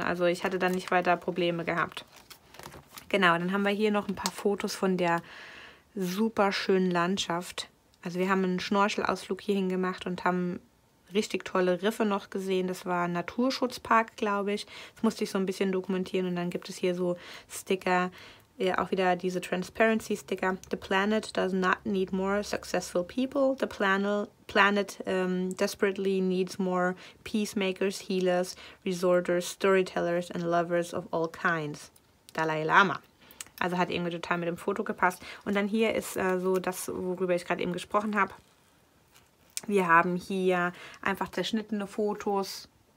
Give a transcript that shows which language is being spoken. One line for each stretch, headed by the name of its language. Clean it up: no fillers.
German: Also ich hatte dann nicht weiter Probleme gehabt. Genau, dann haben wir hier noch ein paar Fotos von der super schönen Landschaft. Also wir haben einen Schnorchelausflug hierhin gemacht und haben richtig tolle Riffe noch gesehen. Das war ein Naturschutzpark, glaube ich. Das musste ich so ein bisschen dokumentieren. Und dann gibt es hier so Sticker, auch wieder diese Transparency-Sticker.
English: The planet does not need more successful people. The planet desperately needs more peacemakers, healers, resorters, storytellers and lovers of all kinds. Dalai Lama.
German: Also hat irgendwie total mit dem Foto gepasst. Und dann hier ist so das, worüber ich gerade eben gesprochen habe. Wir haben hier einfach zerschnittene Fotos.